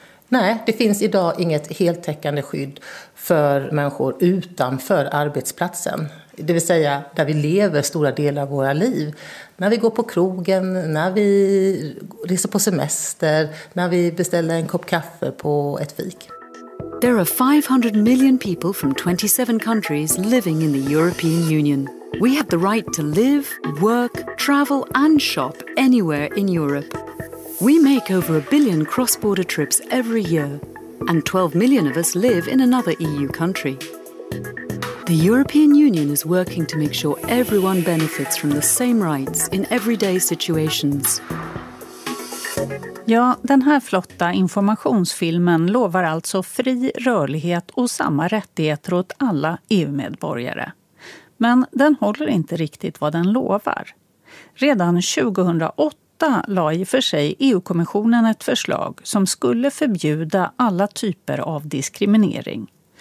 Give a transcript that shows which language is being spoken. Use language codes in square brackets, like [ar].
[sv] Nej, det finns idag inget heltäckande skydd för människor utanför arbetsplatsen. Det vill säga där vi lever stora delar av våra liv. När vi går på krogen, när vi reser på semester, när vi beställer en kopp kaffe på ett fik. [en] There are 500 million people from 27 countries living in the European Union. We have the right to live, work, travel and shop anywhere in Europe. We make over a billion cross-border trips every year, and 12 million of us live in another EU country. The European Union is working to make sure everyone benefits from the same rights in everyday situations. [sv] Ja, den här flotta informationsfilmen lovar alltså fri rörlighet och samma rättigheter åt alla EU-medborgare. Men den håller inte riktigt vad den lovar. Redan 2008 la i för sig EU-kommissionen ett förslag som skulle förbjuda alla typer av diskriminering.